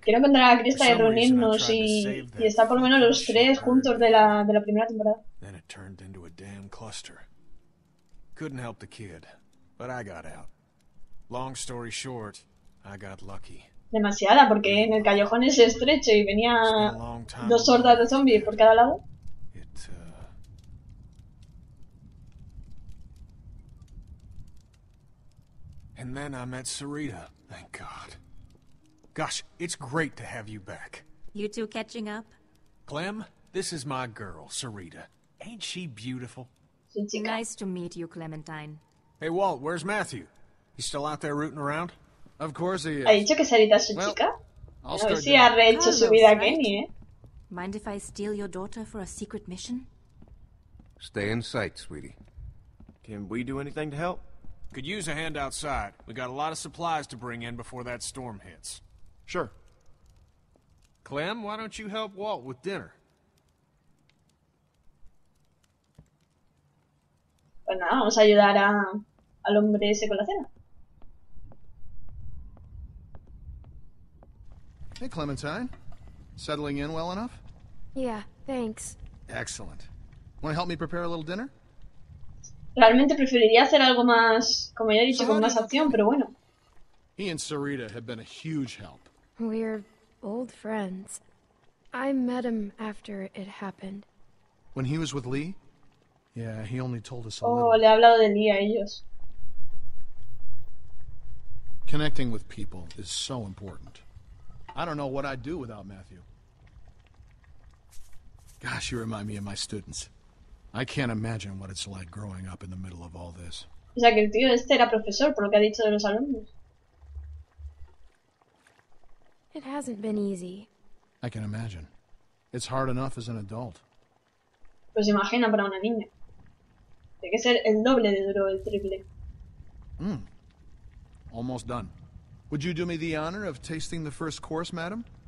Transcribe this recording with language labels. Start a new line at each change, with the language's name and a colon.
Spanish: Quiero encontrar a Krista y reunirnos y estar por lo menos los tres juntos de la primera temporada.
English: Then it turned into a damn cluster. Couldn't help the kid, but I got out. Long story short, I got lucky.
Spanish: Demasiada, porque en el callejón es estrecho y venía dos hordas de zombies por cada lado.
English: And then I met Sarita. Thank God. Gosh, it's great to have you back. You two catching up? Clem, this is my girl, Sarita. Ain't she beautiful? Nice to meet you, Clementine. Hey, Walt, where's Matthew? He's still out there rooting around? Of course he is.
Spanish: ¿Ha dicho que Sarita es su chica?
English: Well, I'll start
Spanish: ha rehecho su vida a Kenny, ¿eh?
English: Mind if I steal your daughter for a secret mission? Stay in sight, sweetie. Can we do anything to help? Could use a hand outside. We got a lot of supplies to bring in before that storm hits. Sure. Clem, why don't you help Walt with dinner?
Spanish: Pues nada, vamos a ayudar a al hombre ese con la cena.
English: Hey, Clementine. Settling in well enough? Yeah, thanks. Excellent. Want to help me prepare a little dinner?
Spanish: Realmente preferiría hacer algo más, como ya he dicho, con más acción, pero bueno.
English: He and Sarita have been a huge help. We're old friends. I met him after it happened. When he was with Lee? Yeah, he only told us a little. Oh,
Spanish: le ha hablado de Lee a ellos.
English: Connecting with people is so important. I don't know what I'd do without Matthew. Gosh, you remind me of my students. I can't imagine what it's like growing up in the middle of all this.
Spanish: O sea, que el tío este era profesor, por lo que ha dicho de los alumnos.
English: It hasn't been easy. I can imagine. It's hard enough as an adult.
Spanish: Pues imagina para una niña. Tiene que ser el doble de duro, el triple.
English: Mm. Almost done. Would you do me the honor of tasting the first course, madam?